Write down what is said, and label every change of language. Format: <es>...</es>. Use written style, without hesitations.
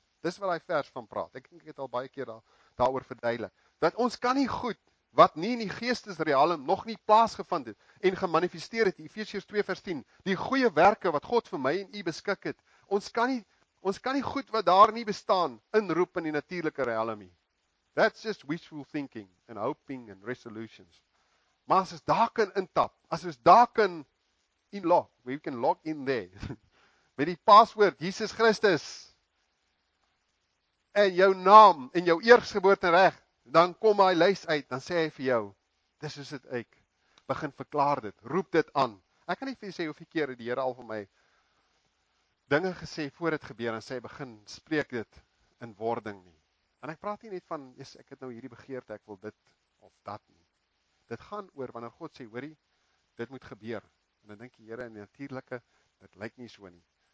<af>Dis wat daai vers van praat. Ek dink ek het al baie keer daaroor verduidelik. Dat ons kan nie goed wat nie in die geestesriem nog nie plaasgevind het en gemanifesteer het. Efesiërs 2 vers 10. Die goeie werke wat God vir my en u beskik het. Ons kan nie goed wat daar nie bestaan inroep in die natuurlike riem nie.</af> <en>That's just wishful thinking and hoping and resolutions.</en> <af>Maar as ons daar kan intap, as ons daar kan inlog,</af> <en>we can log in there.</en> <af>Met die paswoord Jesus Christus en jou naam en jou eersgeboortereg, dan kom hy lys uit, dan sê hy vir jou, dis is dit ek. Begin verklaar dit, roep dit aan. Ek kan nie vir jou sê hoeveel keer het die Here al vir my dinge gesê voor dit gebeur en sê begin spreek dit in wording nie. En ek praat nie net van yes, ek het nou hierdie begeerte, ek wil dit of dat nie. Dit gaan oor wanneer God sê, hoorie, dit moet gebeur. En dan dink die Here in die natuurlike, dit lyk nie so nie.</af>